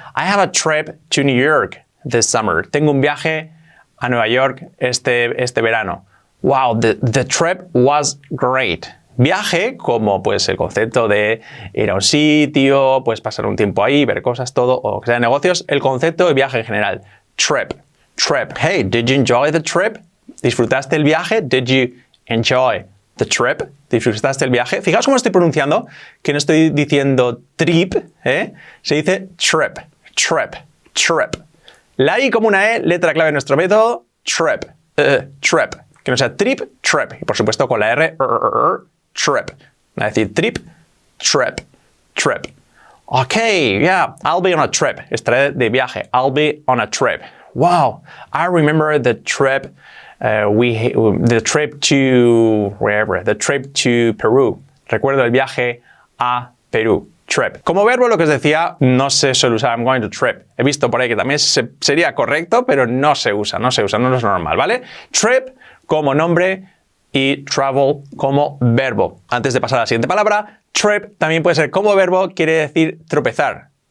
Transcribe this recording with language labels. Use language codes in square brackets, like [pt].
[en] I have a trip to New York this summer. [es] Tengo un viaje a Nueva York este verano. [en] Wow, the trip was great. [es] Viaje, como pues el concepto de ir a un sitio, pues pasar un tiempo ahí, ver cosas, todo, o que sea negocios, el concepto de viaje en general. [en] Trip, trip. Hey, did you enjoy the trip? [es] ¿Disfrutaste el viaje? [en] Did you enjoy the trip? [es] ¿Disfrutaste el viaje? Fijaos cómo estoy pronunciando, que no estoy diciendo trip, ¿eh? Se dice trip, trip, trip. La I como una E, letra clave en nuestro método, trip, trip. Que no sea trip, trip. Y por supuesto con la R, trip. Es decir, trip, [en] trip. Trip. Okay, yeah, I'll be on a trip. [es] Estaré de viaje. [en] I'll be on a trip. Wow, I remember the trip, the trip to Peru. [es] Recuerdo el viaje a Perú. Trip. Como verbo, lo que os decía, no se suele usar. [en] I'm going to trip. [es] He visto por ahí que también sería correcto, pero no se usa, no se usa, no es normal, ¿vale? Trip como nombre y travel como verbo. Antes de pasar a la siguiente palabra, trip también puede ser como verbo, quiere decir tropezar.